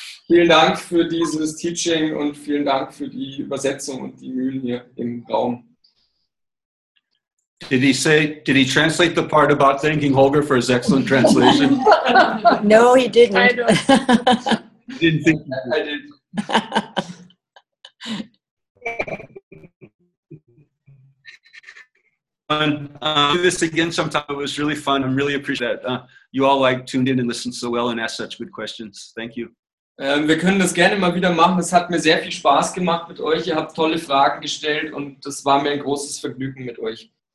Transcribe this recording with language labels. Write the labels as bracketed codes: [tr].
[de] Vielen Dank für dieses Teaching und vielen Dank für die Übersetzung und die Mühen hier im Raum. [en] Did he translate the part about thanking Holger for his excellent translation? No, he didn't. I didn't think. Do this again sometime. It was really fun. I really appreciate that. You all like tuned in and listened so well and asked such good questions. Thank you. [de] Wir können das gerne mal wieder machen. Es hat mir sehr viel Spaß gemacht mit euch. Ihr habt tolle Fragen gestellt und das war mir ein großes Vergnügen mit euch.